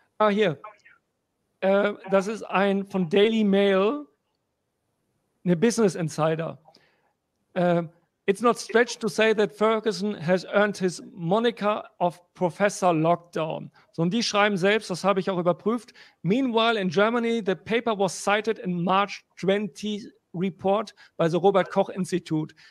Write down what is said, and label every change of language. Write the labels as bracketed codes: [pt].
[de] Hier. Das ist ein von Daily Mail, eine Business Insider. [en] It's not stretched to say that Ferguson has earned his moniker of Professor Lockdown. [de] So, und die schreiben selbst, das habe ich auch überprüft. [en] Meanwhile in Germany, the paper was cited in March 20 report by the Robert Koch Institute.